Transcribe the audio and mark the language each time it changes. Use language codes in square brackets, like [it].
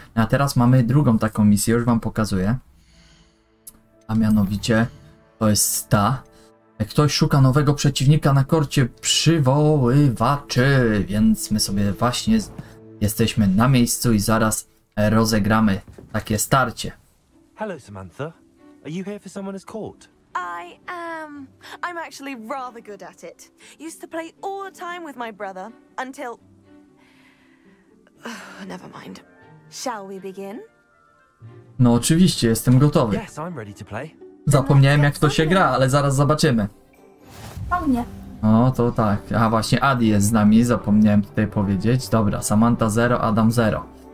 [pl] A teraz mamy drugą taką misję, już wam pokazuję. A mianowicie, to jest ta. Ktoś szuka nowego przeciwnika na korcie przywoływaczy, więc my sobie właśnie... Jesteśmy na miejscu i zaraz rozegramy takie starcie. [en] Hello Samantha. Are you here for someone's court? I am. I'm actually rather good at it. Used to play all the time with my brother until never mind. Shall we begin? [pl] No oczywiście, jestem gotowy. [en] Yes, I'm ready to play. [pl] Zapomniałem jak to się gra, ale zaraz zobaczymy. O mnie. O, to tak. A właśnie Adi jest z nami, zapomniałem tutaj powiedzieć. Dobra, Samantha 0, Adam 0.